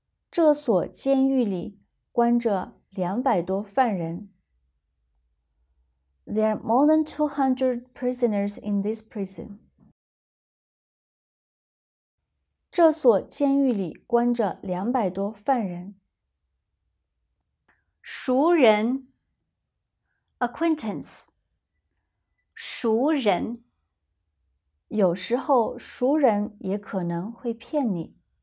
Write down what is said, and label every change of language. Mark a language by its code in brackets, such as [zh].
[zh] 这所监狱里关着200多犯人。 [en] There are more than 200 prisoners in this prison. [zh] 这所监狱里关着200多犯人。熟人 acquaintance 熟人有时候熟人也可能会骗你。